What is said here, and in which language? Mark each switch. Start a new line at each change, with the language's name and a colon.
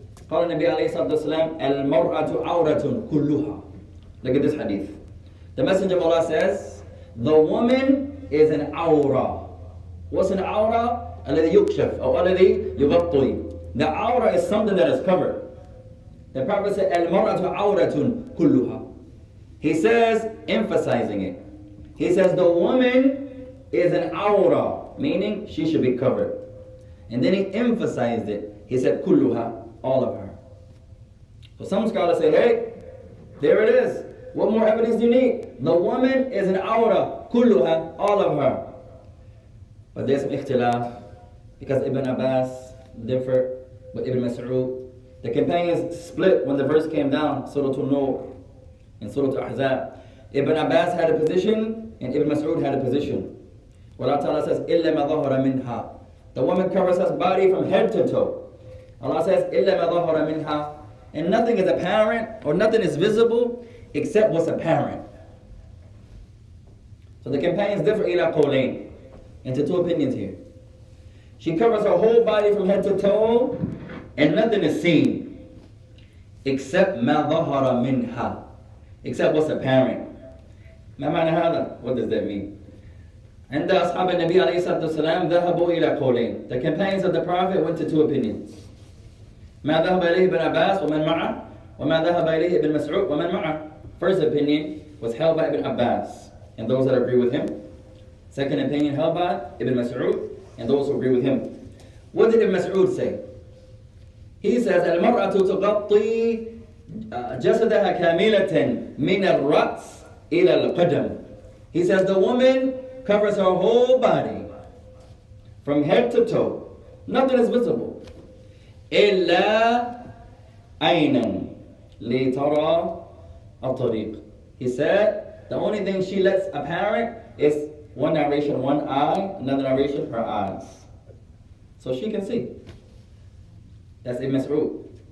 Arabic: قال النبي عليه الصلاة والسلام المرأة عورة كلها.
English: Look at this hadith. The Messenger of Allah says, the woman is an awra. What's an awra?
Arabic: الذي يكشف أو الذي يغطي.
English: The awra is something that is covered. The Prophet said,
Arabic: المرأة عورة كلها.
English: He says, emphasizing it. He says, the woman is an awra, meaning she should be covered. And then he emphasized it. He said, kulluha, all of her. So some scholars say, hey, there it is. What more evidence do you need? The woman is an awra, kulluha, all of her. But there's some ikhtilaf, because Ibn Abbas differed with Ibn Mas'ud. The companions split when the verse came down, Surah An-Nur and Surah Al-Ahzab. Ibn Abbas had a position and Ibn Mas'ud had a position. Allah Ta'ala says,
Arabic: إِلَّا مَا ظَهَرَ مِنْهَا.
English: The woman covers her body from head to toe. Allah says,
Arabic: إِلَّا مَا ظَهَرَ مِنْهَا.
English: And nothing is apparent or nothing is visible except what's apparent. So the companions differ
Arabic: إِلَى قَوْلَيْن
English: into two opinions here. She covers her whole body from head to toe and nothing is seen except
Arabic: مَا ظَهَرَ مِنْهَا.
English: Except what's apparent.
Arabic: ما معنى هذا?
English: What does that mean?
Arabic: عند أصحاب النبي عليه الصلاة والسلام ذهبوا إلى قولين.
English: The companions of the Prophet went to two opinions.
Arabic: ما ذهب إليه ابن عباس ومن معه وما ذهب إليه ابن مسعود ومن معه.
English: First opinion was held by ابن عباس and those that agree with him. Second opinion held by ابن مسعود and those who agree with him. What did ابن مسعود say? He says
Arabic: المرأة تغطي جسدها كاملة من الرأس إلى القدم.
English: He says the woman covers her whole body from head to toe. Nothing is visible.
Arabic: Illa aynan li tara al-tariq.
English: He said, the only thing she lets apparent is one narration, one eye, another narration, her eyes. So she can see. That's Ibn Mas'ud.